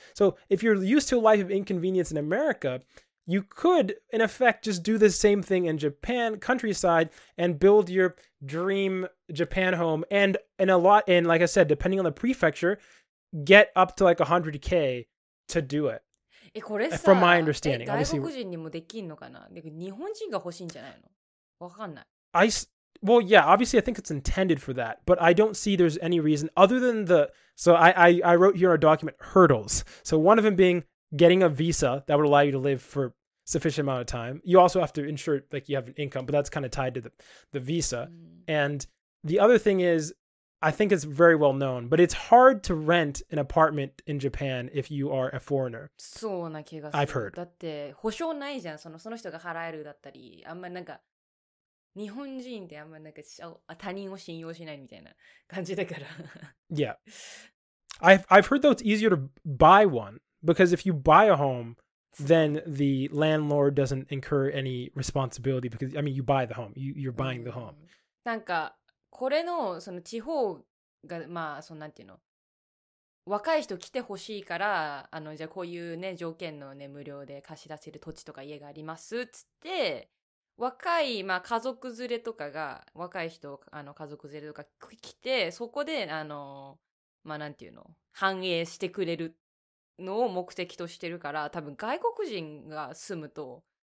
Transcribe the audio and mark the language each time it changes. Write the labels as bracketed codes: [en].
[en] So if you're used to a life of inconvenience in America, you could in effect just do the same thing in Japan countryside and build your dream Japan home, and like I said, depending on the prefecture, get up to like 100k to do it. From my understanding, obviously. [ja] 外国人にもできんのかな？でも日本人が欲しいんじゃないの？わかんない。 [en] Well, yeah, obviously I think it's intended for that, but I don't see there's any reason other than the, so I wrote here in our document hurdles. So one of them being getting a visa that would allow you to live for sufficient amount of time. You also have to ensure like you have an income, but that's kind of tied to the visa. And the other thing is, I think it's very well known, but it's hard to rent an apartment in Japan if you are a foreigner. [ja] そうな気がする。 [en] I've heard. [ja] だって保証ないじゃん。その人が払えるだったり、あんまなんか日本人ってあんまなんか他人を信用しないみたいな感じだから。 [en] Yeah. I've heard though it's easier to buy one, because if you buy a home, then the landlord doesn't incur any responsibility, because I mean you buy the home. You're buying the home. [ja] なんかこれのその地方がまあそのなんていうの、若い人来てほしいから、じゃあこういうね条件のね無料で貸し出せる土地とか家がありますっつって、若いまあ家族連れとかが、若い人家族連れとか来て、そこでまあなんていうの、繁栄してくれるのを目的としてるから、多分外国人が住むと